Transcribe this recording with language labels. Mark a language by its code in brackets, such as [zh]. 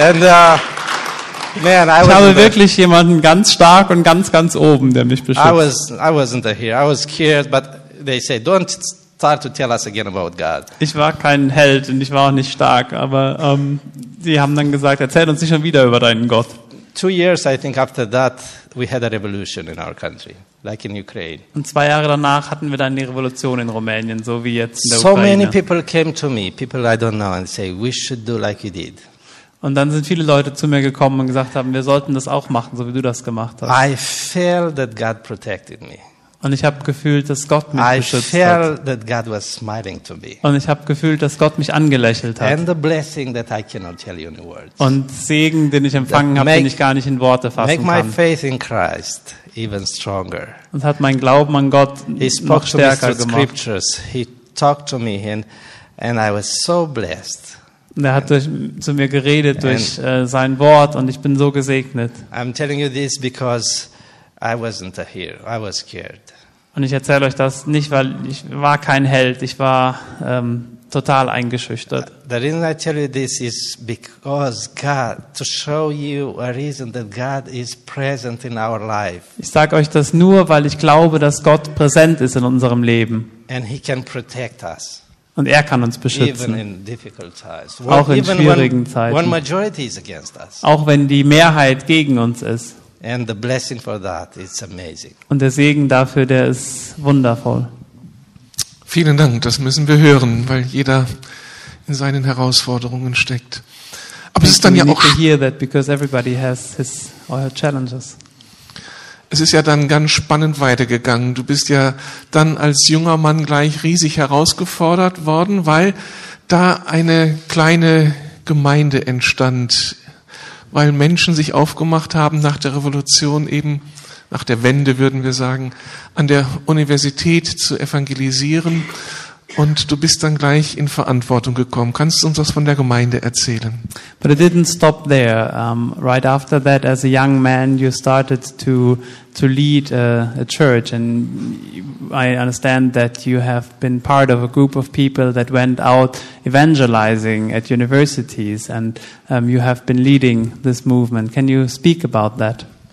[de] Ich habe wirklich jemanden ganz stark und ganz, ganz oben, der mich beschützt. [en] I wasn't here. I was scared, but they say, don't start to tell us again about God. [de] Ich war kein Held und ich war auch nicht stark, aber sie haben dann gesagt, erzähl uns nicht schon wieder über deinen Gott. [en] 2 years, I think, after that, we had a revolution in our country, like in Ukraine. [de] Und 2 Jahre danach hatten wir dann die Revolution in Rumänien, so wie jetzt in der [en] Ukraine. So many people came to me, people I don't know, and say, we should do like you did. [de] Und dann sind viele Leute zu mir gekommen und gesagt haben, wir sollten das auch machen, so wie du das gemacht hast. [en] I feel that God protected me. [de] Und ich habe gefühlt, dass Gott mich beschützt hat. [en] I feel that God was smiling to me. [de] Und ich habe gefühlt, dass Gott mich angelächelt hat. [en] And the blessing that I cannot tell you in words. [de] Und Segen, den ich empfangen habe, den ich gar nicht in Worte fassen [en] kann. Make my faith in Christ even stronger. [de] Und hat meinen Glauben an Gott noch stärker gemacht. [en] Scriptures. He talked to me and I was so blessed. [de] Und er hat zu mir geredet durch sein Wort und ich bin so gesegnet. [en] I'm telling you this because I wasn't a hero. I was scared. [de] Und ich erzähle euch das nicht, weil ich war kein Held. Ich war total eingeschüchtert. [en] The reason I tell you this is because God, to show you a reason that God is present in our life. [de] Ich sage euch das nur, weil ich glaube, dass Gott präsent ist in unserem Leben. [en] And he can protect us. [de] Und er kann uns beschützen. [en] Even in difficult times. [de] Auch in schwierigen Zeiten. [en] When majority is against us. [de] Auch wenn die Mehrheit gegen uns ist. [en] And the blessing for that is amazing. [de] Und der Segen dafür, der ist wundervoll. Vielen Dank, das müssen wir hören, weil jeder in seinen Herausforderungen steckt. Aber es ist dann ja auch [en] hear that because everybody has his or her challenges. [de] Es ist ja dann ganz spannend weitergegangen. Du bist ja dann als junger Mann gleich riesig herausgefordert worden, weil da eine kleine Gemeinde entstand, weil Menschen sich aufgemacht haben nach der Revolution, eben nach der Wende, würden wir sagen, an der Universität zu evangelisieren. Und du bist dann gleich in Verantwortung gekommen. Kannst du uns was von der Gemeinde erzählen? [en] But it didn't stop there. Right after that, as a young man, you started to lead a church. And I understand that you have been part of a group of people that went out evangelizing at universities. And you have been leading this movement. Can you speak about that?